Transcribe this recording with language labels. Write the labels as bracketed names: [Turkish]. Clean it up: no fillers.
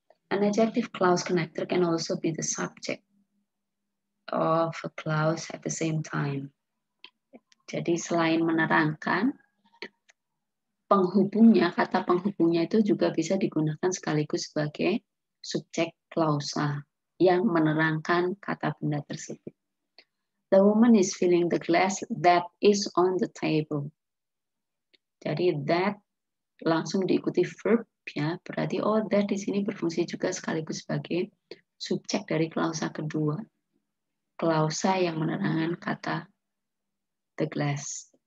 [English] An adjective clause connector can also be the subject of a clause at the same time. [Indonesian] Jadi selain menerangkan, penghubungnya, kata penghubungnya itu juga bisa digunakan sekaligus sebagai subject clause yang menerangkan kata benda tersebut. [English] The woman is filling the glass that is on the table. [Indonesian] Jadi that langsung diikuti verb ya, berarti oh that di sini berfungsi juga sekaligus sebagai subjek dari klausa kedua. Klausa yang menerangkan kata the glass.